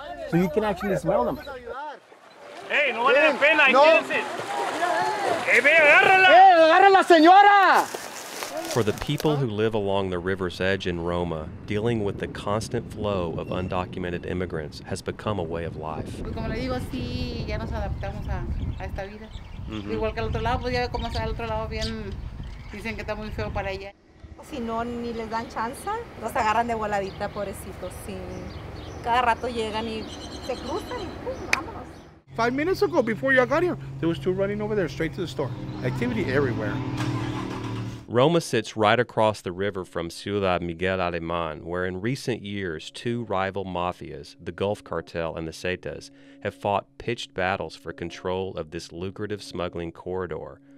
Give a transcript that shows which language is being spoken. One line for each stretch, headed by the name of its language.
English: So you can actually smell them.
Spanish: Hey, no vale la pena, quédense. Hey, agárrala. Hey, agárrala, señora.
English: For the people who live along the river's edge in Roma, dealing with the constant flow of undocumented immigrants has become a way of life.
Spanish: Como le digo, sí, ya nos adaptamos a esta vida. Mm-hmm. Igual que al otro lado, pues ya como está el otro lado bien, dicen que está muy feo para allá. Si no, ni les dan chance, los agarran de voladita, pobrecitos. Sí. Cada rato llegan y se cruzan y vamos.
English: 5 minutes ago, before you got here, there was two running over there straight to the store. Activity everywhere. Roma sits right across the river from Ciudad Miguel Alemán, where in recent years, two rival mafias, the Gulf Cartel and the Zetas, have fought pitched battles for control of this lucrative smuggling corridor.